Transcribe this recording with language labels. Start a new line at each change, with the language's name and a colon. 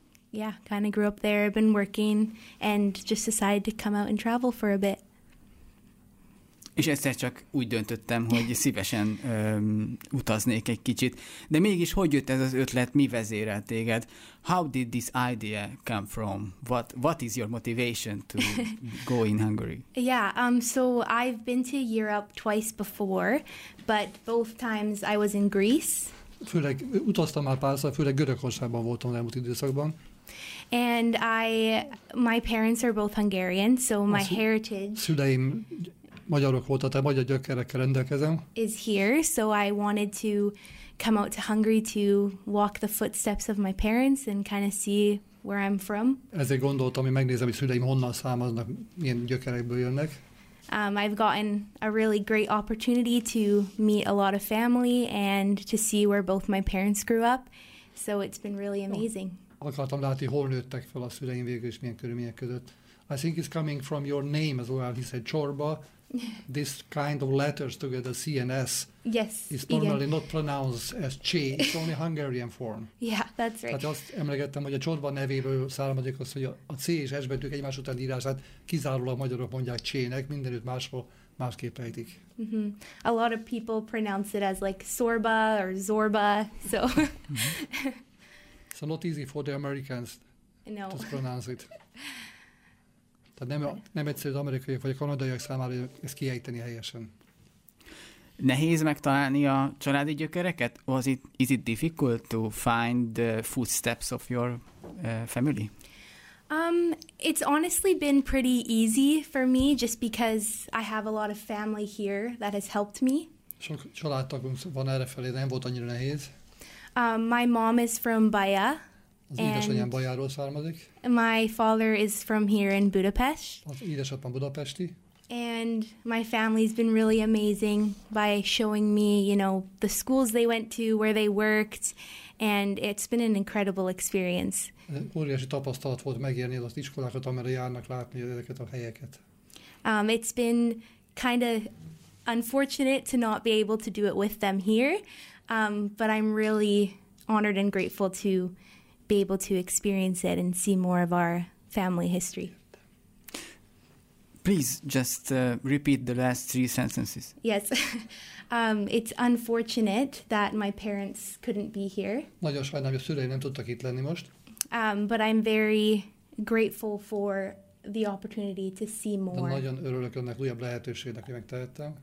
English: Yeah, kind of grew up there, been working, and just decided to come out and travel for a bit.
Hungarian: És egyszer csak úgy döntöttem, hogy szívesen utaznék egy kicsit. De mégis hogy jött ez az ötlet, mi vezérelt téged?
English: How did this idea come from? What is your motivation to go in Hungary? So I've been to Europe twice before, but both times I was in Greece.
Hungarian: Főleg utaztam már párszor, főleg Görögországban voltam elmúlt időszakban.
English: And my parents are both Hungarian, so my heritage.
Hungarian: Szüleim magyarok voltak, tehát magyar gyökerekkel rendelkezem.
English: Is here, so I wanted to come out to Hungary to walk the footsteps of my parents and kind of see where I'm from.
Hungarian: Ezért gondoltam, hogy megnézem, hogy szüleim honnan származnak, milyen gyökerekből jönnek.
English: I've gotten a really great opportunity to meet a lot of family and to see where both my parents grew up, so it's been really amazing.
Hungarian: Akartam látni, hol nőttek fel a szüleim végül, és milyen körülmények között.
English: I think it's coming from your name as well. He said Csorba. This kind of letters together, C and S, yes, is normally not pronounced as C. It's only Hungarian form. Yeah, that's right.
Hungarian: Tehát azt emlegettem, hogy a Csorba nevéből származik az, hogy a C és S betűk egymás után írását kizárólag magyarok mondják C-nek, mindenütt máshol másképp ejtik.
English: Mm-hmm. A lot of people pronounce it as like Sorba or Zorba, so... So not easy for the Americans to pronounce it.
Hungarian: Tehát nem egyszerű az amerikai vagy a kanadaiak számára ezt kiejteni helyesen. Nehéz megtalálni a családi gyökereket?
English: Is it difficult to find the footsteps of your family? It's honestly been pretty easy for me, just because I have a lot of family here that has helped me.
Hungarian: Sok családtagunk van errefelé, nem volt annyira nehéz.
English: My mom is from Baja.
Hungarian: Az édesanyám Bajáról származik.
English: My father is from here in Budapest.
Hungarian: Az édesapám budapesti.
English: And my family's been really amazing by showing me, you know, the schools they went to, where they worked, and it's been an incredible experience. Óriási tapasztalat volt megérni az iskolákat, amire járnak, látni ezeket a helyeket. It's been kind of unfortunate to not be able to do it with them here. But I'm really honored and grateful to be able to experience it and see more of our family history. Please just repeat the last 3 sentences. Yes. It's unfortunate that my parents couldn't be here.
Hungarian: Nagyon sajnálom, hogy a szüleim nem tudtak itt lenni most.
English: But I'm very grateful for the opportunity to see more.
Hungarian: De nagyon örülök ennek újabb lehetőségnek, hogy megtehettem.